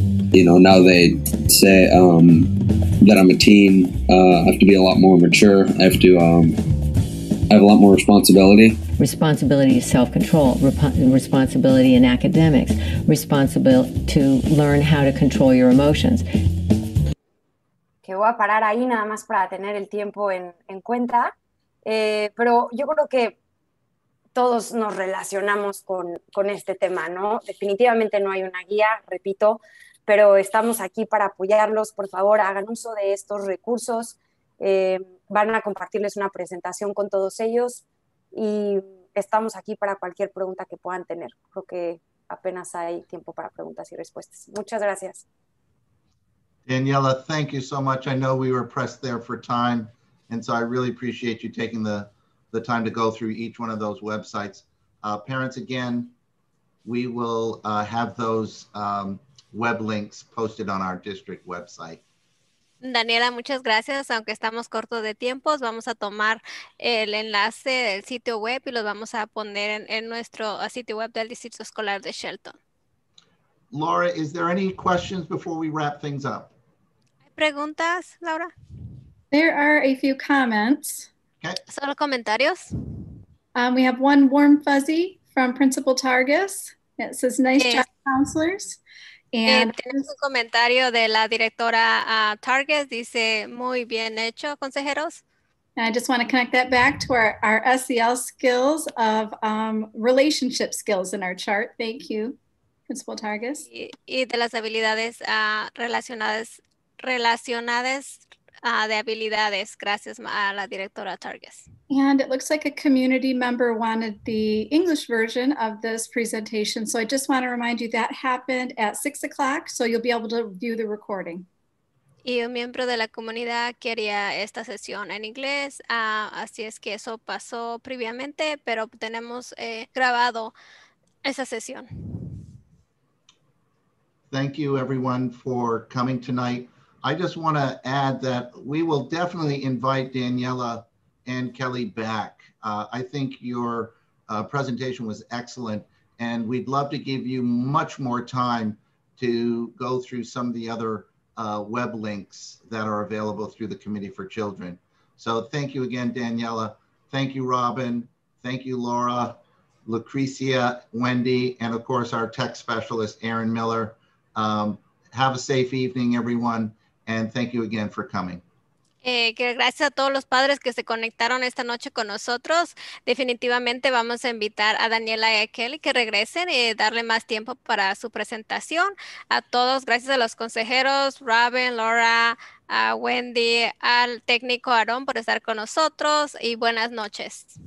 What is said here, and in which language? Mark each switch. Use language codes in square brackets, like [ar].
[en] You know, now they say that I'm a teen, I have to be a lot more mature. I have to, I have a lot more responsibility. Responsibility to self-control, responsibility in academics, responsibility to learn how to control your emotions. [es] Que voy a parar ahí nada más para tener el tiempo en cuenta, pero yo creo que todos nos relacionamos con este tema, ¿no? Definitivamente no hay una guía, repito, pero estamos aquí para apoyarlos. Por favor, hagan uso de estos recursos. Van a compartirles una presentación con todos ellos. Y estamos aquí para cualquier pregunta que puedan tener. Creo que apenas hay tiempo para preguntas y respuestas. Muchas gracias. [en] Daniela, thank you so much. I know we were pressed there for time. And so I really appreciate you taking the the time to go through each one of those websites. Parents, again, we will have those web links posted on our district website. [es] Daniela, muchas gracias. Aunque estamos cortos de tiempos, vamos a tomar el enlace del sitio web y los vamos a poner en nuestro sitio web del Distrito Escolar de Shelton. [en] Laura, is there any questions before we wrap things up? [es] ¿Hay preguntas, Laura? [en] There are a few comments. Okay. [es] ¿Solo comentarios? [en] We have one warm fuzzy from Principal Targus. It says, nice job, counselors. [es] Tenemos un comentario de la directora Targus. Dice, muy bien hecho, consejeros. [en] And I just want to connect that back to our SEL skills of relationship skills in our chart. Thank you, Principal Targus. [es] Y de las habilidades relacionadas de habilidades. Gracias a la directora Targus. [en] And it looks like a community member wanted the English version of this presentation. So I just want to remind you that happened at 6 o'clock, so you'll be able to view the recording. [es] Y un miembro de la comunidad quería esta sesión en inglés. Así es que eso pasó previamente, pero tenemos grabado esa sesión. [en] Thank you everyone for coming tonight. I just want to add that we will definitely invite Daniela and Kelly back. I think your presentation was excellent, and we'd love to give you much more time to go through some of the other web links that are available through the Committee for Children. So thank you again, Daniela. Thank you, Robin. Thank you, Laura, Lucrecia, Wendy, and of course, our tech specialist, Aaron Miller. Have a safe evening, everyone, and thank you again for coming. [es] Gracias a todos los padres que se conectaron esta noche con nosotros. Definitivamente vamos a invitar a Daniela y a Kelly que regresen y darle más tiempo para su presentación. A todos, gracias a los consejeros, Robin, Laura, a Wendy, al técnico Aaron por estar con nosotros y buenas noches.